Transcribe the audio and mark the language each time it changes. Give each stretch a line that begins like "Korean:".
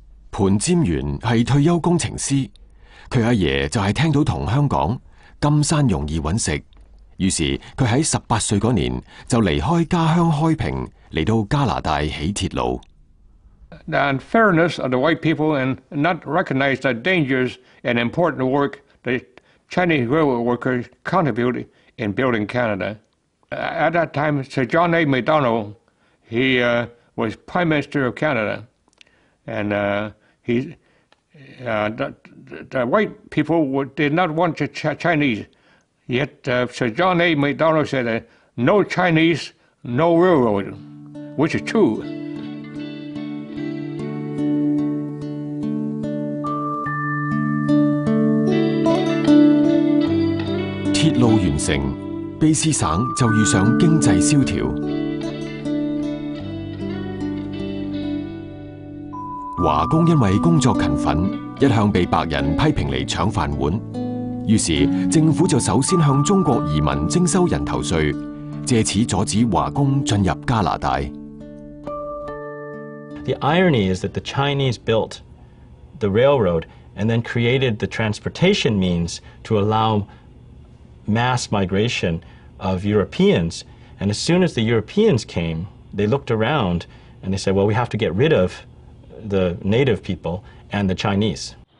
Cantonese: 潘占元是退休工程师，他阿爷就是听到同乡讲金山容易揾食，于是他在18岁嗰年就离开家乡开平，嚟到加拿大起铁路。
English: The unfairness of the white people and not recognize the dangerous and important work the Chinese railway workers contributed in building Canada. At that time, Sir John A. Macdonald, he was Prime Minister of Canada, and the white people did not want the Chinese. Yet Sir John A. Macdonald said, "No Chinese, no railroad," which is true.
Cantonese: 铁路完成，卑诗省就遇上经济萧条。华工因为工作勤奋，一向被白人批评嚟抢饭碗，于是政府就首先向中国移民征收人头税，借此阻止华工进入加拿大。
English: The irony is that the Chinese built the railroad and then created the transportation means to allowmass migration of Europeans, and as soon as the Europeans came, they looked around and they said, well, we have to get rid of the native people and the Chinese.